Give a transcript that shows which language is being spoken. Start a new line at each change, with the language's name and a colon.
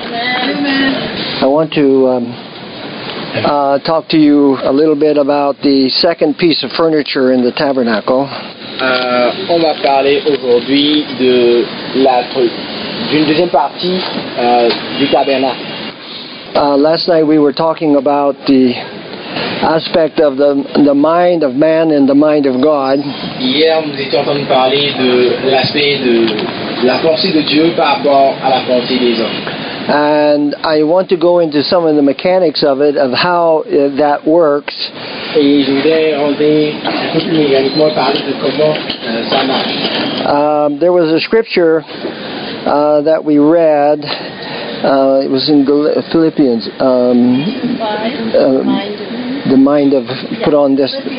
English: I want to talk to you a little bit about the second piece of furniture in the tabernacle.
French: On va parler aujourd'hui de d'une deuxième partie du tabernacle.
English: Last night we were talking about the aspect of the mind of man and the mind of God.
French: Hier, nous étions en train de parler de l'aspect de la pensée de Dieu par rapport à la pensée des hommes.
English: And I want to go into some of the mechanics of it, of how that works.
French: Et je voudrais rentrer mécaniquement parler de comment ça marche.
English: There was a scripture that we read. It was in Philippians. The mind of put on this.